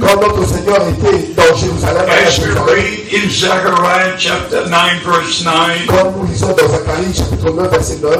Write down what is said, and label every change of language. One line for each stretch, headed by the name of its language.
French: quand notre Seigneur était dans Jérusalem,
English: as we read in Zechariah chapter 9, verse 9,
French: quand nous lisons dans Zacharie chapitre 9, verset 9,